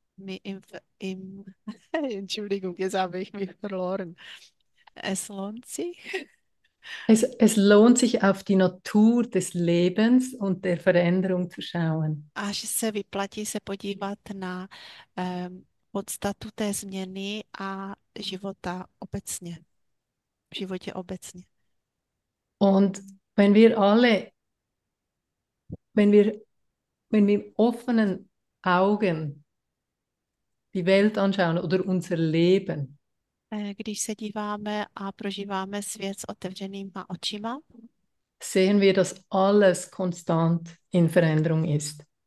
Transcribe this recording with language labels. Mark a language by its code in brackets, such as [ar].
[de] Entschuldigung, jetzt habe ich mich verloren. Es lohnt sich. Es lohnt sich, auf die Natur des Lebens und der Veränderung zu schauen. [cs] Až se vyplatí se podívat na podstatu té změny a života obecně. V životě obecně. [de] Und wenn wir mit offenen Augen die Welt anschauen oder unser Leben. [cs] Když se díváme a prožíváme svět s otevřenýma očima, [de] Sehen wir, dass alles konstant in Veränderung ist.